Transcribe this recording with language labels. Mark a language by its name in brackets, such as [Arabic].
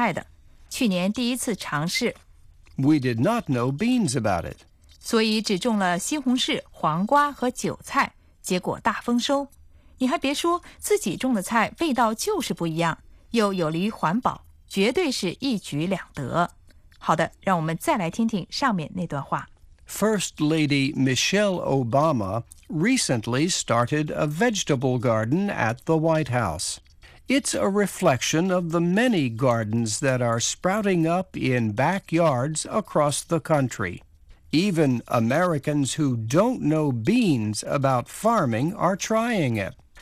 [Chinese] 没过多久，这些初次务农的人就能够尝到自己种出来的可口健康的水果和蔬菜了。我和老公就是从去年开始种菜的，去年第一次尝试。 [English] We did not know beans about it. [Chinese] 所以只种了西红柿、黄瓜和韭菜，结果大丰收。你还别说，自己种的菜味道就是不一样，又有利于环保，绝对是一举两得。好的，让我们再来听听上面那段话。 [English] First Lady Michelle Obama recently started a vegetable garden at the White House. It's a reflection of the many gardens that are sprouting up in backyards across the country. Even Americans who don't know beans about farming are trying it.